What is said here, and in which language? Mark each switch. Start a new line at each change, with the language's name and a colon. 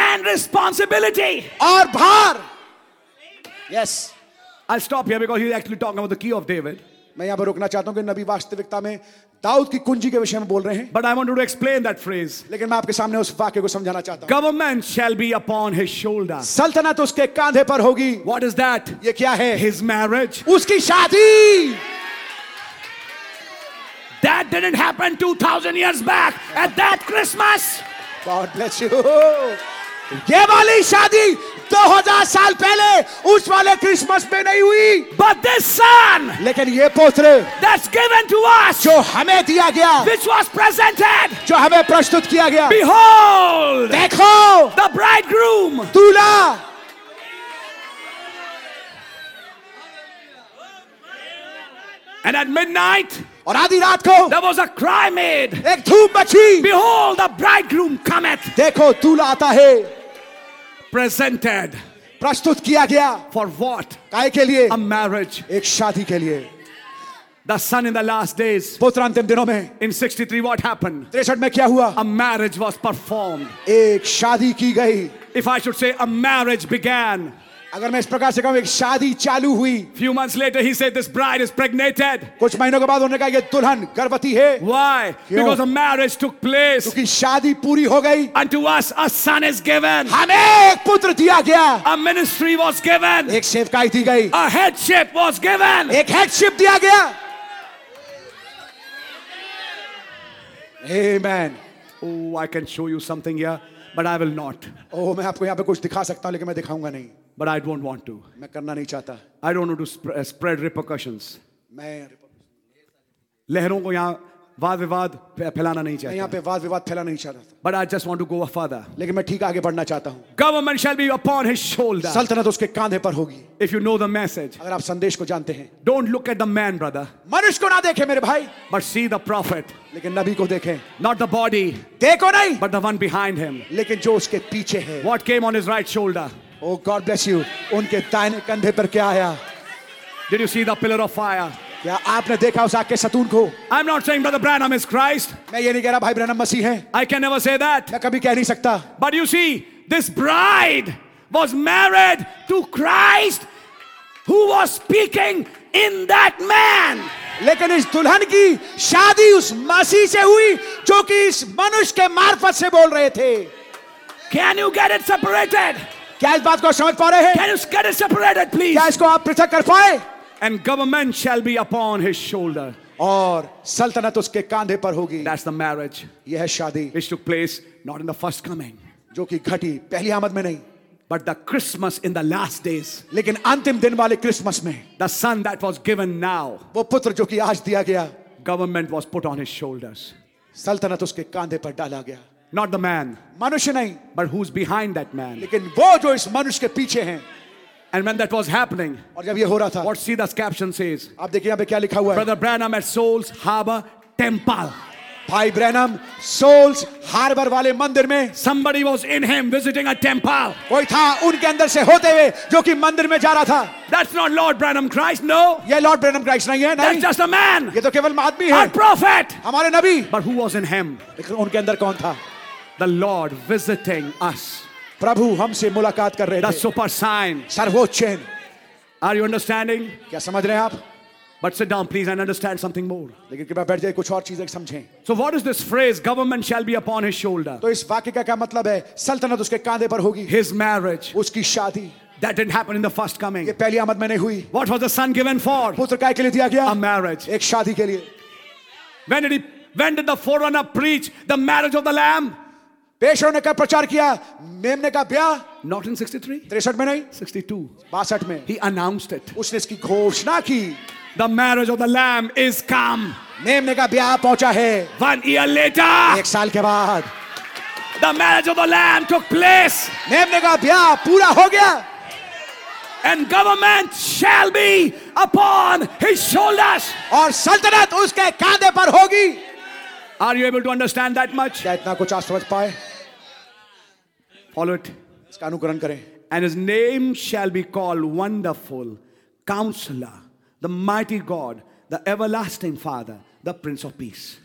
English: and responsibility,
Hindi: और भार.
English: Yes, I'll stop here because he's actually talking about the key of David.
Hindi: मैं यहां पर रुकना चाहता हूं कि नबी वास्तविकता में दाऊद की कुंजी के विषय में बोल रहे हैं.
English: But I wanted to explain that phrase.
Hindi: लेकिन मैं आपके सामने उस वाक्य को समझाना चाहता हूं.
English: Government shall be upon his shoulder.
Hindi: सल्तनत उसके कांधे पर होगी.
English: What is that?
Hindi: ये क्या है?
English: His marriage.
Hindi: उसकी शादी.
English: That didn't happen 2000 years back at that Christmas. God bless you.
Hindi: ये वाली शादी 2000 साल पहले उस वाले क्रिसमस में नहीं हुई.
English: But this son,
Hindi: लेकिन ये पुत्र,
English: that's given to us,
Hindi: जो हमें दिया गया,
English: which was presented,
Hindi: जो हमें प्रस्तुत किया गया,
English: behold,
Hindi: देखो,
English: the bridegroom,
Hindi: दूल्हा.
English: And at midnight,
Hindi: और आधी रात को,
English: there was a cry made,
Hindi: एक धूम मची,
English: behold, the bridegroom cometh,
Hindi: देखो दूल्हा आता है.
English: presented.
Hindi: प्रस्तुत किया गया.
English: For what?
Hindi: काय के लिए?
English: A marriage.
Hindi: एक शादी के लिए.
English: The son in the last days.
Hindi: पुत्र अंतिम दिनों में.
English: In 63, what happened?
Hindi: 63 में क्या हुआ?
English: A marriage was performed.
Hindi: एक शादी की गई.
English: If I should say, a marriage began.
Hindi: अगर मैं इस प्रकार से कहूं एक शादी चालू हुई.
English: Few months later, he said, this bride is pregnant.
Hindi: कुछ महीनों के बाद उन्होंने कहा ये दुल्हन गर्भवती है.
English: Why?
Hindi: क्यों?
English: Because a marriage took place.
Hindi: क्योंकि शादी पूरी हो गई.
English: And to us a son is given.
Hindi: हमें एक पुत्र दिया गया.
English: A ministry was given.
Hindi: एक सेवकाई दी गई.
English: A headship was given.
Hindi: एक headship दिया गया.
English: Amen. Oh, I can show you something here, but I will not.
Hindi: Oh, मैं आपको यहाँ पे कुछ दिखा सकता हूँ, लेकिन मैं दिखाऊंगा नहीं.
English: But I don't want to.
Hindi: मैं करना नहीं चाहता.
English: I don't want to spread repercussions.
Hindi: मैं लहरों को यहाँ वाद विवाद फैलाना नहीं चाहता. यहाँ पे वाद विवाद फैलाना नहीं चाहता.
English: But I just want to go further.
Hindi: लेकिन मैं ठीक आगे बढ़ना चाहता हूँ.
English: Government shall be upon his shoulder.
Hindi: सल्तनत उसके कांधे पर होगी.
English: If you know the message.
Hindi: अगर आप संदेश को जानते हैं.
English: Don't look at the man, brother.
Hindi: मनुष्य को ना देखें मेरे भाई.
English: But see the prophet.
Hindi: लेकिन नबी को देखें.
English: Not the body.
Hindi: देखो नहीं.
English: But the one behind him.
Hindi: लेकिन जो उसके पीछे है.
English: What came on his right shoulder? Oh God bless you.
Hindi: उनके दाहिने कंधे पर क्या आया?
English: Did you see the pillar of fire?
Hindi: क्या आपने देखा उस आग के सतून को?
English: I'm not saying brother Branham is Christ.
Hindi: मैं ये नहीं कह रहा भाई ब्रैनम मसीह है.
English: I can never say that.
Hindi: मैं कभी कह नहीं सकता.
English: But you see, this bride was married to Christ, who was speaking in that man.
Hindi: लेकिन इस दुल्हन की शादी उस मसीह से हुई, जो कि इस मनुष्य के मार्फत से बोल रहे थे.
English: Can you get it separated?
Hindi: क्या इस बात को समझ पा रहे हैं?
English: Can you get it separated, please?
Hindi: क्या इसको आप पृथक कर पाए?
English: And government shall be upon his shoulder.
Hindi: और सल्तनत उसके कांधे पर होगी.
English: That's the marriage.
Hindi: यह है शादी.
English: Which took place not in the first coming.
Hindi: जो कि घटी पहली आमद में नहीं.
English: But the Christmas in the last days.
Hindi: लेकिन अंतिम दिन वाले क्रिसमस में.
English: The son that was given now.
Hindi: वो पुत्र जो कि आज दिया गया.
English: Government was put on his shoulders.
Hindi: सल्तनत उसके कांधे पर डाला गया.
English: Not the man.
Hindi: मनुष्य नहीं.
English: But who's behind that man?
Hindi: लेकिन वो जो इस मनुष्य के पीछे हैं.
English: And when that was happening,
Hindi: और जब ये हो रहा था,
English: what see the caption says?
Hindi: आप देखिए यहाँ पे क्या लिखा हुआ है?
English: Brother Branham at Souls Harbor Temple.
Hindi: भाई ब्रैनम सोल्स हार्बर वाले मंदिर में.
English: Somebody was in him visiting a temple.
Hindi: कोई था उनके अंदर से होते हुए जो कि मंदिर में जा रहा था.
English: That's not Lord Branham Christ, no.
Hindi: ये Lord Branham Christ नहीं है,
English: That's just a man.
Hindi: ये तो केवल आदमी है.
English: A prophet.
Hindi: हमारे नबी.
English: But who was in him?
Hindi: लेकिन उनके अंदर कौन था?
English: The Lord visiting us.
Hindi: प्रभु हमसे मुलाकात कर रहे हैं.
English: super sign
Hindi: सर्वोच्च.
English: Are you understanding?
Hindi: क्या समझ रहे हैं आप?
English: But sit down, please, and understand something more.
Hindi: लेकिन कृपया बैठ जाइए, कुछ और चीजें समझें.
English: So what is this phrase? Government shall be upon his shoulder.
Hindi: तो इस वाक्य का क्या मतलब है? सल्तनत उसके कांधे पर होगी.
English: His marriage.
Hindi: उसकी शादी.
English: That didn't happen in the first coming.
Hindi: ये पहली आमद में नहीं हुई.
English: What was the son given for?
Hindi: पुत्र काय के लिए दिया गया?
English: A marriage.
Hindi: एक शादी के लिए.
English: When did the forerunner preach the marriage of the Lamb?
Hindi: पेशों ने कब प्रचार किया? मेमने का ब्याह?
English: Not in 63.
Hindi: 63 में नहीं.
English: 62.
Hindi: 62 में.
English: He announced it.
Hindi: उसने इसकी घोषणा की.
English: The marriage of the Lamb is come.
Hindi: मेमने का ब्याह पहुंचा है.
English: 1 year later.
Hindi: एक साल के बाद.
English: The marriage of the Lamb took place.
Hindi: मेमने का ब्याह पूरा हो गया.
English: And government shall be upon his shoulders.
Hindi: और सल्तनत उसके कांधे पर होगी.
English: Are you able to understand that much?
Hindi: क्या इतना कुछ आप समझ पाए?
English: Follow it.
Hindi: इसका अनुकरण करें.
English: And his name shall be called Wonderful, Counselor, the Mighty God, the Everlasting Father, the Prince of Peace.